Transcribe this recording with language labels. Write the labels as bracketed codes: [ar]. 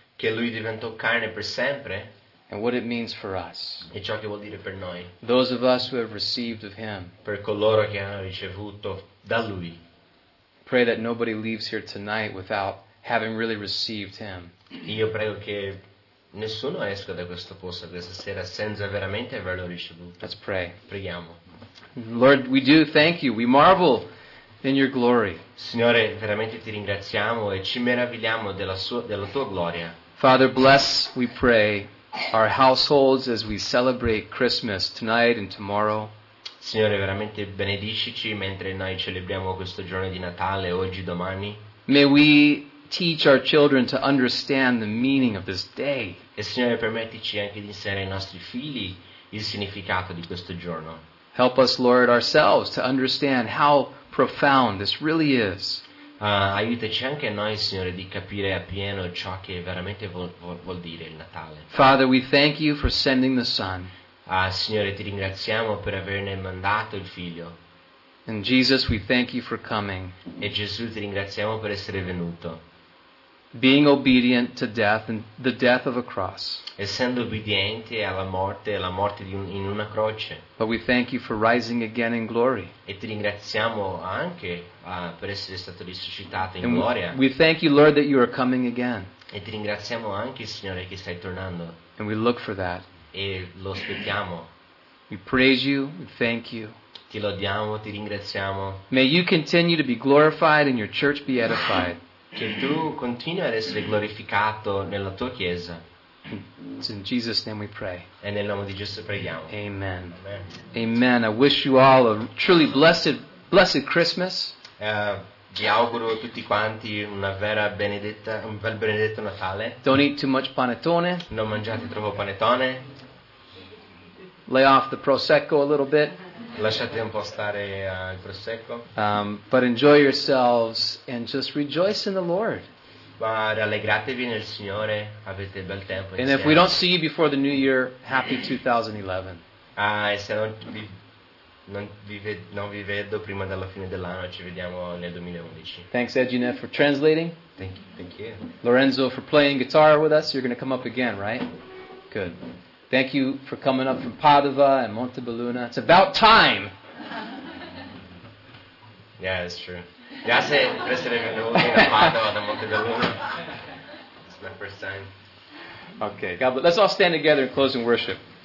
[it] Che lui diventò carne per sempre. [en] And what it means for us. [it] E ciò che vuol dire per noi. [en] Those of us who have received of him. [it] Per coloro che hanno ricevuto da lui. [en] Pray that nobody leaves here tonight without having really received him. [it] Io prego che nessuno esca da questo posto questa sera senza veramente averlo ricevuto. [en] Let's pray. [it] Preghiamo. [en] Lord, we do thank you. We marvel in your glory. [it] Signore, veramente ti ringraziamo e ci meravigliamo della tua gloria. [en] Father, bless, we pray, our households as we celebrate Christmas tonight and tomorrow. [it] Signore, veramente benedicici mentre noi celebriamo questo giorno di Natale oggi, domani. [en] May we teach our children to understand the meaning of this day. [it] E Signore, permettici anche di insegnare ai nostri figli il significato di questo giorno. [en] Help us, Lord, ourselves to understand how profound this really is. [it] Aiutaci anche noi, Signore, di capire appieno ciò che veramente vuol dire il Natale. [en] Father, we thank you for sending the Son. [it] Signore, ti ringraziamo per averne mandato il Figlio. [en] And Jesus, we thank you for coming. [it] E Gesù, ti ringraziamo per essere venuto. [en] Being obedient to death and the death of a cross. [it] Essendo obbediente alla morte di in una croce. [en] But we thank you for rising again in glory. [it] E ti ringraziamo anche per essere stato risuscitato in gloria. [en] We thank you, Lord, that you are coming again. [it] E ti ringraziamo anche, Signore, che stai tornando. [en] And we look for that. [it] E lo aspettiamo. [en] We praise you. We thank you. [it] Ti lodiamo. Ti ringraziamo. [en] May you continue to be glorified and your church be edified. [it] Che tu continui ad essere glorificato nella tua chiesa. [en] It's in Jesus' name we pray. [it] E nel nome di Gesù preghiamo. [en] Amen. Amen. I wish you all a truly blessed Christmas. [it] Vi auguro tutti quanti una vera benedetta, un bel benedetto Natale. [en] Don't eat too much panettone. [it] Non mangiate troppo panettone. [en] Lay off the prosecco a little bit. [it] Lasciate un po' stare il prosecco. [en] But enjoy yourselves and just rejoice in the Lord. [it] Ma rallegratevi nel Signore, avete bel tempo. [en] And if we don't see you before the new year, happy 2011. [it] E se non vi vedo prima della fine dell'anno, ci vediamo nel 2011. [en] Thanks, Edgina, for translating. Thank you. Lorenzo, for playing guitar with us. You're going to come up again, right? Good. Thank you for coming up from Padova and Montebelluna. It's about time. Yeah, it's true. [it] Grazie per essere venuti da Padova, da Montebelluna. [en] It's my first time. Okay, God bless. Let's all stand together and close in worship.